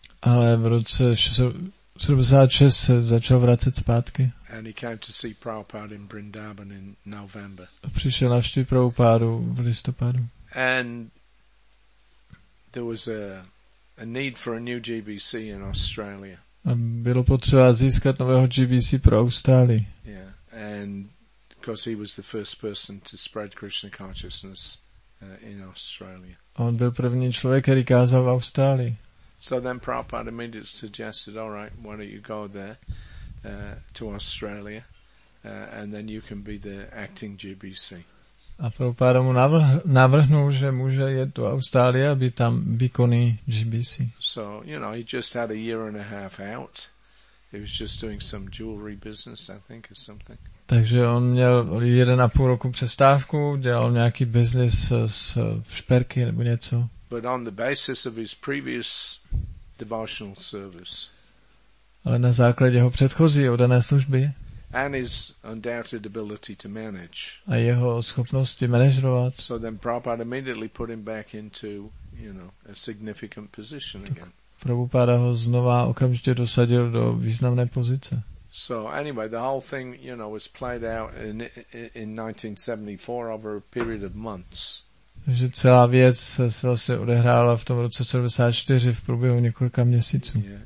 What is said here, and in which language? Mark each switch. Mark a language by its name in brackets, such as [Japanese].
[Czech] Ale v roce 76 se začal vracet zpátky. [English] And he came to see Prabhupada in Vrindavan in November. [Czech] A přišel navštívit Prabhupádu v listopadu. [English] And there was a need for a new GBC in Australia. [Czech] A bylo potřeba získat nového GBC pro Austrálii. [English] Yeah. And because he was the first person to spread Krishna consciousness in Australia. [Czech] A on byl první člověk, který kázal v Austrálii. [English] So then Prabhupada immediately suggested, all right, why don't you go there to Australia and then you can be the acting GBC. [Czech] A Prabhupada mu navrhnul, že může jet do Austrálie, aby tam výkonný GBC. [English] So, you know, he just had a year and a half out. He was just doing some jewelry business, I think, or something. [Czech] Takže on měl jeden a půl roku přestávku, dělal nějaký business s šperky nebo něco. [English] But on the basis of his previous devotional service. [Czech] Ale na základě jeho předchozí oddané služby. [English] And his undoubted ability to manage. [Czech] A jeho schopnosti manažovat. [English] So then Prabhupada immediately put him back into, you know, a significant position again. [Czech] Prabhupada ho znova okamžitě dosadil do významné pozice. [English] So anyway, the whole thing, you know, was played out in 1974 over a period of months. [Czech] Takže celá věc se vlastně odehrála v tom roce 74 v průběhu několika měsíců.